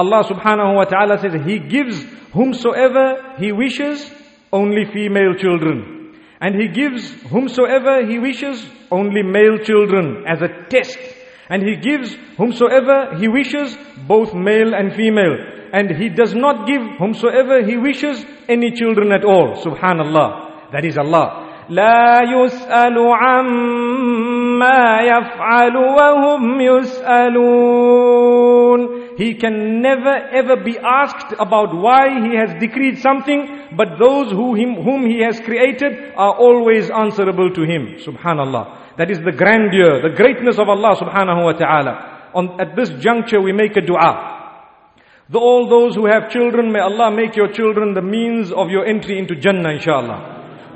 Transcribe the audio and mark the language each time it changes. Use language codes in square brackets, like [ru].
[en] الله سبحانه وتعالى says He gives whomsoever He wishes only female children. And He gives whomsoever He wishes only male children as a test. And He gives whomsoever He wishes both male and female. And He does not give whomsoever He wishes any children at all. Subhanallah. That is Allah. [ar] لا يسأل عما يفعل وهم يسألون. [en] He can never ever be asked about why He has decreed something, but those whom He has created are always answerable to Him. Subhanallah. That is the grandeur, the greatness of Allah subhanahu wa ta'ala. At this juncture we make a dua. All those who have children, may Allah make your children the means of your entry into Jannah inshallah.